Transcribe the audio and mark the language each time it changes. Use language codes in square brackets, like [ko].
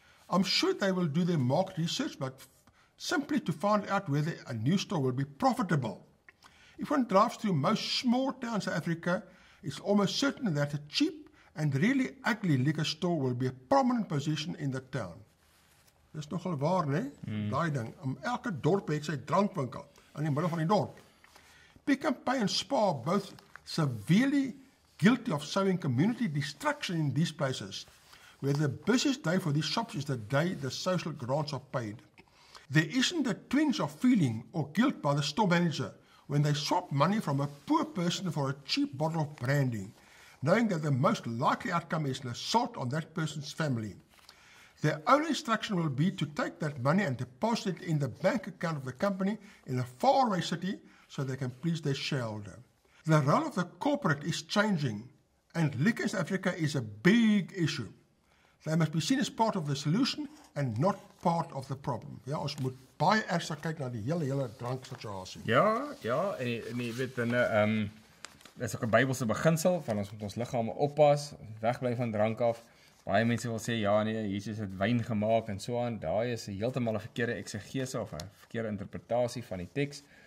[en] I'm sure they will do their market research, but simply to find out whether a new store will be profitable. If one drives through most small towns in Africa, it's almost certain that a cheap and really ugly liquor store will be a prominent position in the town. [af] Dis nogal waar, nee? Die ding. Om elke dorp het sy drankwinkel in die middel van die dorp. [en] Pick and Pay and Spa both severely guilty of sowing community destruction in these places, where the busiest day for these shops is the day the social grants are paid. There isn't a twinge of feeling or guilt by the store manager when they swap money from a poor person for a cheap bottle of brandy, knowing that the most likely outcome is an assault on that person's family. Their only instruction will be to take that money and deposit it in the bank account of the company in a faraway city so they can please their shareholder. The role of the corporate is changing, and liquor in Africa is a big issue. They must be seen as part of the solution and not part of the problem. [af] Ja, ons moet baie ernstig kyk na die hele drank situasie. Ja, en jy weet, dit is ook een Bybelse beginsel, van ons moet ons lichaam oppas, wegblij van drank af. Baie mense wil sê, ja nee, Jesus het wyn gemaak en so aan, daar is heeltemal een verkeerde exegese of een verkeerde interpretatie van die tekst.